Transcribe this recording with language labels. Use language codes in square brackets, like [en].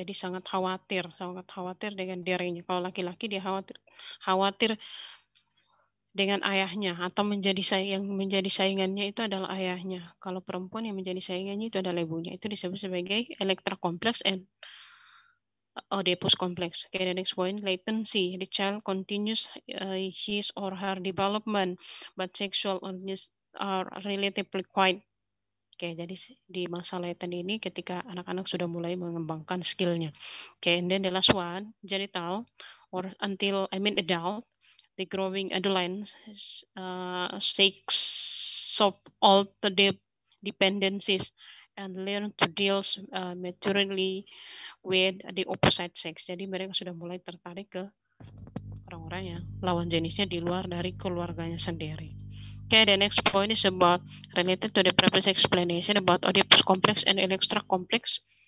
[id] Jadi sangat khawatir dengan dirinya. Kalau laki-laki dia khawatir dengan ayahnya, atau menjadi saingannya itu adalah ayahnya. Kalau perempuan yang menjadi saingannya itu adalah ibunya. Itu disebut sebagai Elektra kompleks and Oedipus kompleks. [en] Okay, the next point, latency. The child continues his or her development, but sexual organs are relatively quiet. [id] Okay, jadi di masa latent ini ketika anak-anak sudah mulai mengembangkan skill-nya. [en] Okay, and then the last one, genital, or adult, the growing adolescent seeks of all the dependencies and learn to deal maturely with the opposite sex. [id] Jadi mereka sudah mulai tertarik ke orang-orang yang lawan jenisnya di luar dari keluarganya sendiri. [en] Okay, the next point is about related to the previous explanation about Oedipus complex and Elektra complex.